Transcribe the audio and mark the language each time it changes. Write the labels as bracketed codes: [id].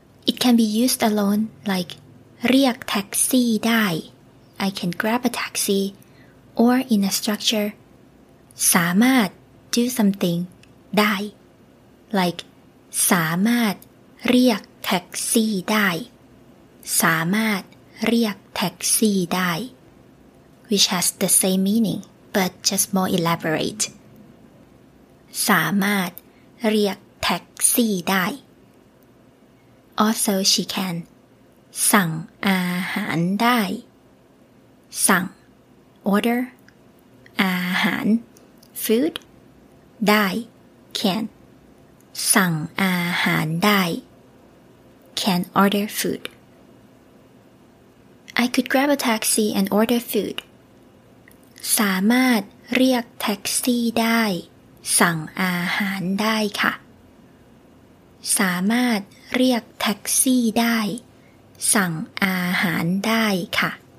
[en] it can be used alone like [th] เรียกแท็กซี่ได้ [en] I can grab a taxi or in a structure สามารถ do something ได้ like [th] สามารถเรียกแท็กซี่ได้สามารถเรียกแท็กซี่ได้ [en] which has the same meaning but just more elaborate [th] สามารถเรียกแท็กซี่ได้ [en] also she can [th] สั่งอาหารได้สั่ง [en] order [th] อาหาร [en] food [th] ได้ [en] can [th] สั่งอาหารได้ [en] can order food I could grab a taxi and order food [th] สามารถเรียกแท็กซี่ได้สั่งอาหารได้ค่ะสามารถเรียกแท็กซี่ได้สั่งอาหารได้ค่ะ